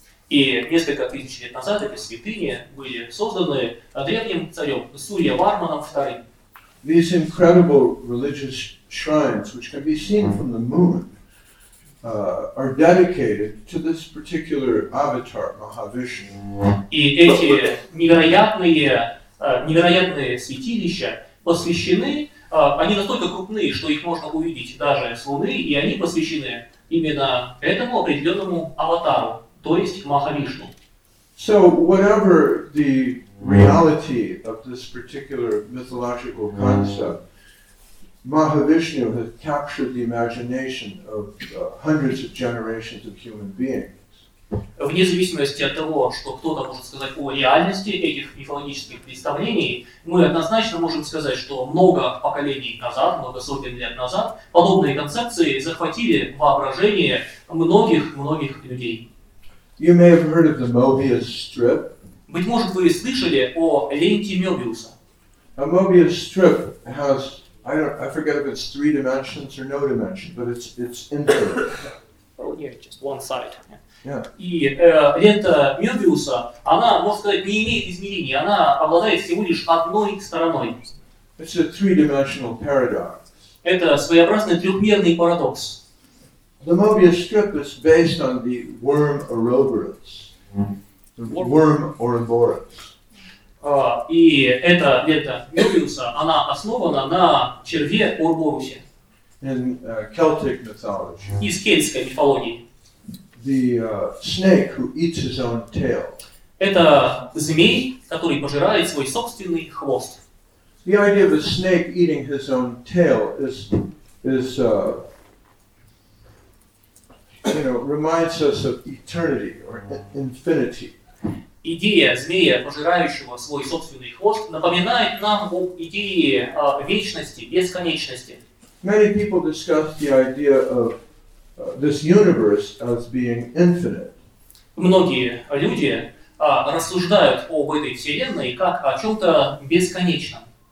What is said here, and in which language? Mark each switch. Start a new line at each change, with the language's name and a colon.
Russian: И несколько тысяч лет назад эти святыни были созданы древним царем Сурьяварманом II.
English: These incredible religious shrines, which can be seen from the moon, are dedicated to this particular avatar, Mahavishnu.
Russian: И эти невероятные святилища посвящены они настолько крупные, что их можно увидеть даже с Луны, и они посвящены именно этому определенному аватару, то есть Махавишну.
English: So whatever the reality of this particular mythological concept, Mahavishnu has captured the imagination of hundreds of generations of human beings.
Russian: Вне зависимости от того, что кто-то может сказать о реальности этих мифологических представлений, мы однозначно можем сказать, что много поколений назад, много сотен лет назад, подобные концепции захватили воображение многих-многих людей.
English: You may have heard of the Möbius strip.
Russian: Быть может, вы слышали о ленте Мёбиуса.
English: A Möbius strip has, I forget if it's three dimensions or no dimension, but it's infinite. Oh, yeah, just one side. Yeah.
Russian: И лента Мёбиуса, она, можно сказать, не имеет измерений, она обладает всего лишь одной стороной.
English: It's a three-dimensional paradox.
Russian: Это своеобразный трёхмерный парадокс.
English: The Möbius strip is based on the worm Ouroboros. Worm Ouroboros.
Russian: И эта лента Мёбиуса, она основана на черве Ouroborosе.
English: In Celtic mythology.
Russian: Из кельтской мифологии.
English: The snake who eats his own tail.
Russian: Это змей, который пожирает свой собственный хвост.
English: The idea of a snake eating his own tail is reminds us of eternity or infinity.
Russian: Идея змея, пожирающего свой собственный хвост, напоминает нам об идее вечности, бесконечности.
English: Many people discuss the idea of this universe as being infinite.
Russian: Многие люди рассуждают об этой вселенной как о чем-то бесконечном.